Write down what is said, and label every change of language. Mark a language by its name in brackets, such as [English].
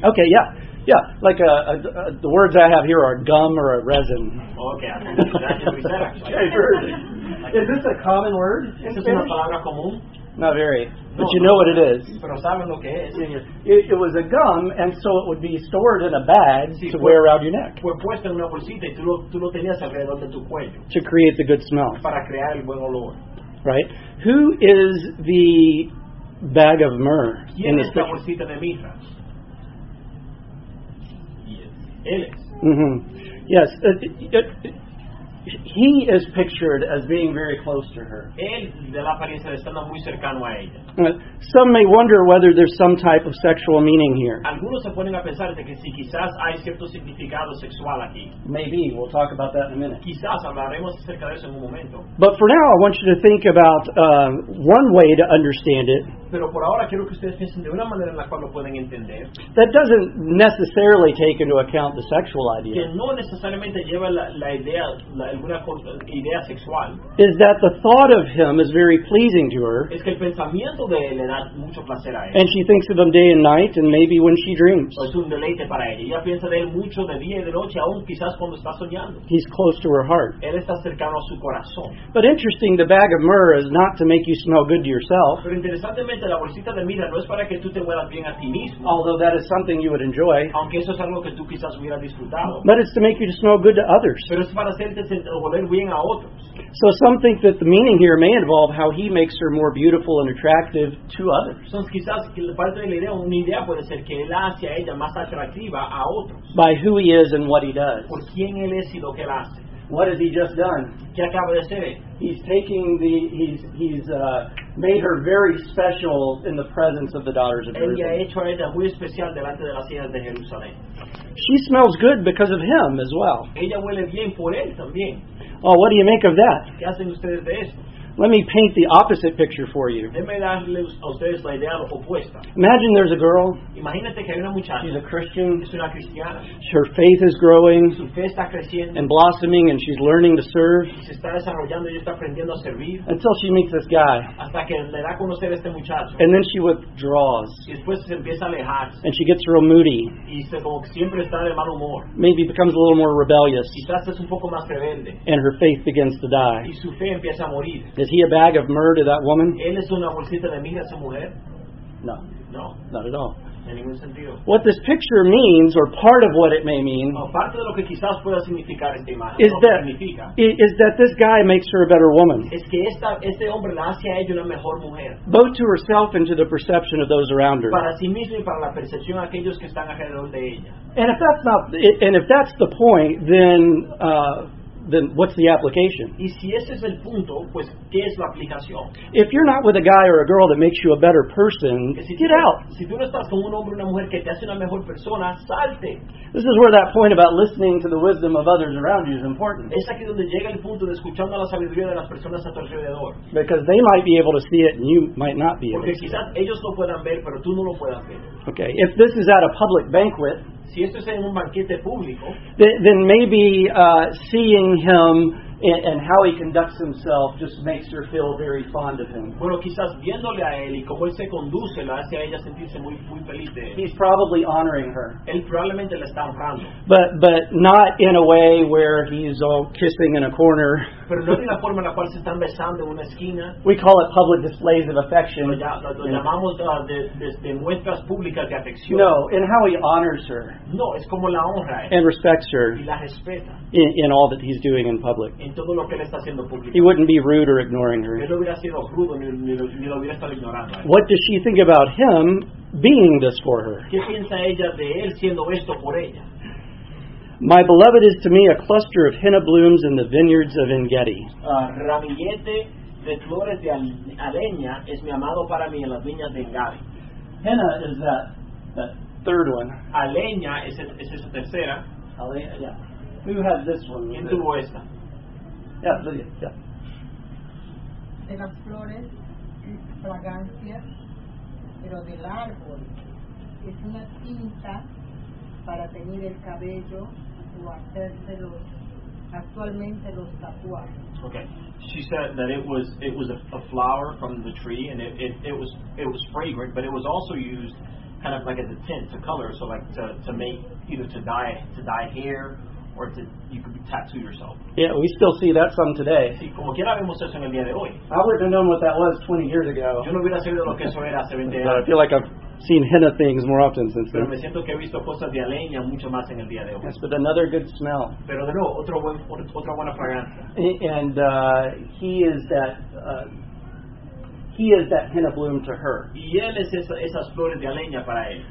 [English] Okay, yeah, like the words I have here are gum or a resin. Okay, exactly. Is this a common word? Is this [Spanish] una palabra común? [English] Not very, but you know what it is. [Spanish] Pero saben lo que es. [English] It was a gum, and so it would be stored in a bag to wear around your neck. [Spanish] Fue puesto en una bolsita y tú lo tenías alrededor de tu cuello. [English] To create the good smell. [Spanish] Para crear el buen olor. [English] Right. Who is the bag of myrrh? [Spanish] ¿Quién es la bolsita de mirra? Él es. [English] Mm-hmm. Yes. He is pictured as being very close to her. [Spanish] Él de la apariencia de estando muy cercano a ella. [English] Some may wonder whether there's some type of sexual meaning here. [Spanish] Algunos se ponen a pensar de que si quizás hay cierto significado sexual aquí. [English] Maybe. We'll talk about that in a minute. [Spanish] Quizás hablaremos acerca de eso en un momento. [English] But for now, I want you to think about one way to understand it. [Spanish] Pero por ahora quiero que ustedes piensen de una manera en la cual lo pueden entender. [English] That doesn't necessarily take into account the sexual idea. [Spanish] Que no necesariamente lleva la idea. Idea sexual, [English] is that the thought of him is very pleasing to her. [Spanish] Es que el pensamiento de él le da mucho placer a ella. [English] And she thinks of him day and night and maybe when she dreams. [Spanish] Es un deleite para ella. Ella piensa de él mucho de día y de noche, aún quizás cuando está soñando. [English] He's close to her heart. [Spanish] Él está cercano a su corazón. [English] But interesting, the bag of myrrh is not to make you smell good to yourself. [Spanish] Pero interesantemente, la bolsita de mirra no es para que tú te huelas bien a ti mismo. [English] Although that is something you would enjoy. [Spanish] Aunque eso es algo que tú quizás hubieras disfrutado. [English] But it's to make you to smell good to others. [Spanish] Pero es para hacerte. [English] So some think that the meaning here may involve how he makes her more beautiful and attractive to others. By who he is and what he does. [Spanish] Por quién él es y lo que él hace. [English] What has he just done? [Spanish] ¿Qué acaba de hacer? [English] He's made her very special in the presence of the daughters of Jerusalem. [Spanish] Ella ha hecho a ella muy especial delante de las hijas de Jerusalén. [English] She smells good because of him as well. [Spanish] Ella huele bien por él también. [English] Well, what do you make of that? [Spanish] ¿Qué hacen ustedes de eso? [English] Let me paint the opposite picture for you. [Spanish] Déjeme darles a ustedes la idea opuesta. [English] Imagine there's a girl. [Spanish] Imagínate que hay una muchacha. [English] She's a Christian. [Spanish] Es una cristiana. [English] Her faith is growing. [Spanish] Su fe está creciendo. [English] And blossoming, and she's learning to serve. [Spanish] Se está desarrollando y está aprendiendo a servir. [English] Until she meets this guy. [Spanish] Hasta que le da a conocer a este muchacho. [English] And then she withdraws. [Spanish] Y después se empieza a alejar. [English] And she gets real moody. [Spanish] Y se como siempre está de mal humor. [English] Maybe becomes a little more rebellious. [Spanish] Quizás es un poco más rebelde. [English] And her faith begins to die. [Spanish] Y su fe empieza a morir. [English] Is he a bag of myrrh to that woman? [Spanish] ¿Él es una bolsita de mirra a esa mujer? [English] No. [Spanish] No. [English] Not at all. [Spanish] en ningún sentido. [English] What this picture means, or part of what it may mean, [Spanish] parte de lo que quizás pueda significar esta imagen, [English] is, [Spanish] lo [English] that, [Spanish] que significa, [English] is that this guy makes her a better woman. [Spanish] Es que esta, este hombre la hace a ella una mejor mujer. [English] Both to herself and to the perception of those around her. [Spanish] Para sí misma y para la percepción de aquellos que están alrededor de ella. [English] And if that's not, and if that's the point, then what's the application? [Spanish] Y si ese es el punto, pues, ¿qué es la aplicación? [English] If you're not with a guy or a girl that makes you a better person, get out. [Spanish] Si tú no estás con un hombre o una mujer que te hace una mejor persona, salte. [English] This is where that point about listening to the wisdom of others around you is important. [Spanish] Es aquí donde llega el punto de escuchando la sabiduría de las personas a tu alrededor. [English] Because they might be able to see it and you might not be able [Spanish] Porque quizás ellos lo puedan ver, pero tú no lo puedas ver. [English] Okay, if this is at a public banquet, [Spanish] si esto es en un banquete público, [English] then maybe seeing him and how he conducts himself just makes her feel very fond of him. [Spanish] Bueno, quizás viéndole a él y cómo él se conduce la hace a ella sentirse muy, muy feliz de él. [English] He's probably honoring her. [Spanish] Él probablemente la está honrando. [English] But not in a way where he's all kissing in a corner. [Spanish] Pero no en la forma en la cual se están besando en una esquina. [English] We call it public displays of affection. [Spanish] Lo llamamos de muestras públicas de afección. [English] No, in how he honors her. [Spanish] No, es como la honra. [English] And respects her. [Spanish] Y la respeta. [English] In all that he's doing in public. [Spanish] En todo lo que él está haciendo público. [English] He wouldn't be rude or ignoring her. [Spanish] Él no hubiera sido rudo ni lo hubiera estado ignorando. [English] What does she think about him being this for her? [Spanish] ¿Qué piensa ella de él siendo esto por ella? [English] My beloved is to me a cluster of henna blooms in the vineyards of En-Gedi. [Spanish] Ramillete de flores de aleña es mi amado para mí en las viñas de En-Gedi. [English] Henna is that third one. [Spanish] Aleña es esa tercera. [English] Aleña, yeah. Who has this one? [Spanish] ¿Quién tuvo esta? [English] Yeah, Lydia, yeah. [Spanish] De las flores, fragancias, pero del árbol, es una tinta para teñir el cabello o hacérselo actualmente los tatuajes. [English] Okay. She said that it was a flower from the tree and it was fragrant, but it was also used kind of like as a tint to color, so like to make either to dye hair or to you could tattoo yourself. Yeah, we still see that some today. [Spanish] Sí, como quiera vemos eso en el día de hoy. [English] I wouldn't have known what that was 20 years ago. [Spanish] Yo no hubiera sabido lo que eso era 20 años. [English] I feel like I've seen henna things more often since then. [Spanish] Pero me siento que he visto cosas de aleña mucho más en el día de hoy. [English] Yes, but another good smell. [Spanish] Pero de nuevo, otra buena fragancia. [English] And he is that henna bloom to her. [Spanish] Y él es esas flores de aleña para él.